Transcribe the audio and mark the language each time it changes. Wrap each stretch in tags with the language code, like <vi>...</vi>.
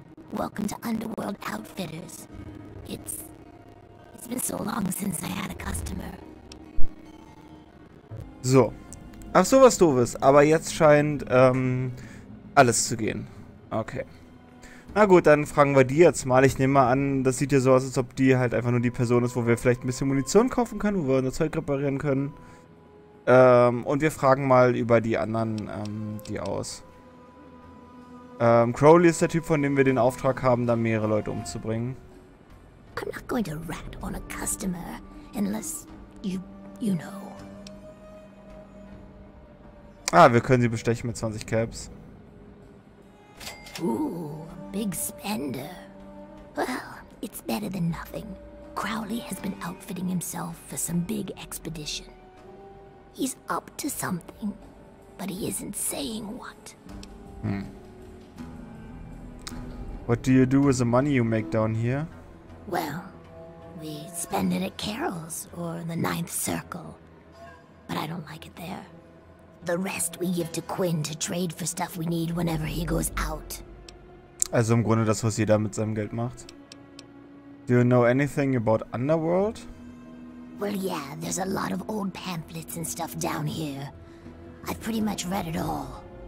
<en>Welcome to Underworld Outfitters. It's been so long since I had a customer.</en> <de>So. Ach so, was Doofes. Aber jetzt scheint alles zu gehen. Okay. Na gut, dann fragen wir die jetzt mal. Ich nehme mal an, das sieht ja so aus, als ob die halt einfach nur die Person ist, wo wir vielleicht ein bisschen Munition kaufen können, wo wir unser Zeug reparieren können. Und wir fragen mal über die anderen die aus. Crowley ist der Typ, von dem wir den Auftrag haben, da mehrere Leute umzubringen.</de> <en>I'm not going to rat on a customer unless you know.</en> <de>Ah, wir können sie bestechen mit 20 Caps.</de> <en>Ooh, a big spender. Well, it's better than nothing. Crowley has been outfitting himself for some big expedition. He's up to something, but he isn't saying what. What do you do with the money you make down here? Well, we spend it at Carol's or the Ninth Circle. But I don't like it there. The rest we give to Quinn to trade for stuff we need whenever he goes out.</en> <de>Also im Grunde das, was jeder mit seinem Geld macht.</de> <en>Do you know anything about Underworld? Well, yeah, there's a lot of old pamphlets and stuff down here. I've pretty much read it all.</en>